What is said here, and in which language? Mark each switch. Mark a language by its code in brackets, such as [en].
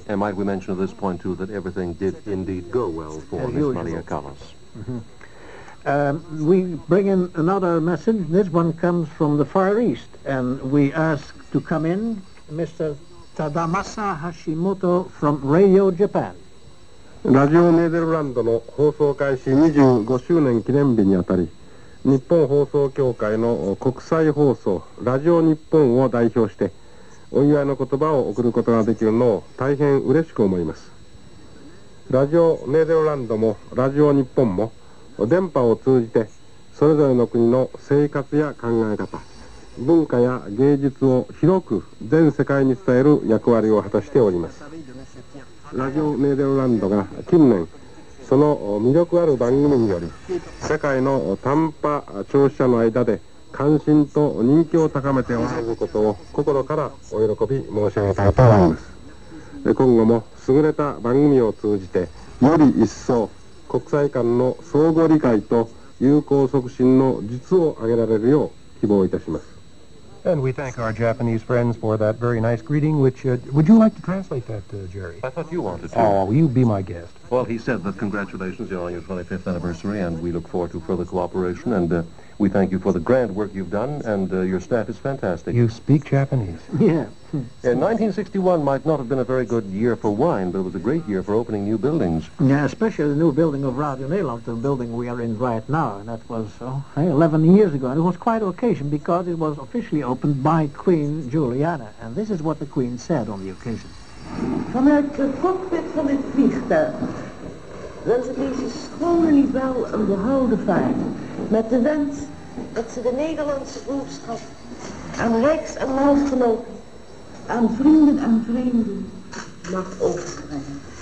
[en] And might we mention at this point, too, that everything did indeed go well for Miss Maria Callas. We bring in another message. This one comes from the Far East, and we ask to come in Mr. Tadamasa Hashimoto from Radio Japan. [ja] Radio Nederland の放送開始25周年記念日にあたり、日本放送協会の国際放送ラジオ日本を代表してお祝いの言葉を送ることができるのを大変嬉しく思います。ラジオネデルランドもラジオ日本も電波を通じてそれぞれの国の生活や考え方、文化や芸術を広く全世界に伝える役割を果たしております。ラジオネデルランドが近年その魅力ある番組により世界の短波聴取者の間で関心と人気を高めておられることを心からお喜び申し上げたいと思います。今後も優れた番組を通じてより一層国際間の相互理解と友好促進の実を挙げられるよう希望いたします。 [en] And we thank our Japanese friends for that very nice greeting, which, would you like to translate that, Jerry? I thought you wanted to. Oh, you be my guest. Well, he said that congratulations, you're on your 25th anniversary, and we look forward to further cooperation, and we thank you for the grand work you've done, and your staff is fantastic. You speak Japanese. Yeah. 1961 might not have been a very good year for wine, but it was a great year for opening new buildings. Yeah, especially the new building of Radio Nederland, the building we are in right now. And that was 11 years ago, and it was quite an occasion because it was officially opened by Queen Juliana. And this is what the Queen said on the occasion. [nl] Vanuit de cockpit van dit vliegtuig wensen deze schone libel een behouden vaart. Met de wens dat ze de Nederlandse boodschap aan rijks- en landgenoten, aan vrienden en vreemden mag overbrengen.